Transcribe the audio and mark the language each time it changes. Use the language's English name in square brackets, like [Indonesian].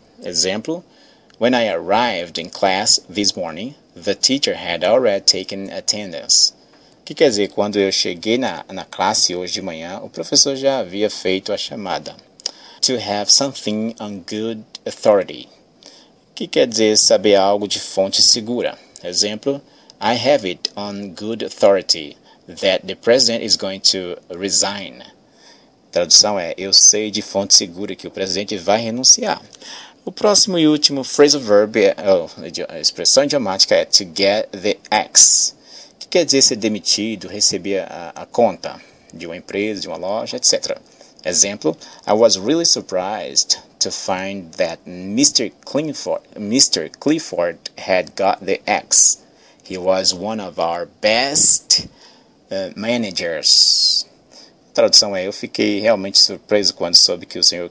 [English] Exemplo, when I arrived in class this morning, the teacher had already taken attendance. [Portuguese] O que quer dizer? Quando eu cheguei na classe hoje de manhã, o professor já havia feito a chamada. [English] To have something on good authority. [Portuguese] O que quer dizer saber algo de fonte segura? Exemplo, [English] I have it on good authority that the president is going to resign. [Portuguese] Tradução é, eu sei de fonte segura que o presidente vai renunciar. O próximo e último phrasal verb, a expressão idiomática, é to get the axe. O que quer dizer ser demitido, receber a conta de uma empresa, de uma loja, etc. [English] Exemplo, I was really surprised to find that Mr. Clifford had got the axe. He was one of our best managers. [Portuguese] Tradução é, eu fiquei realmente surpreso quando soube que o Sr.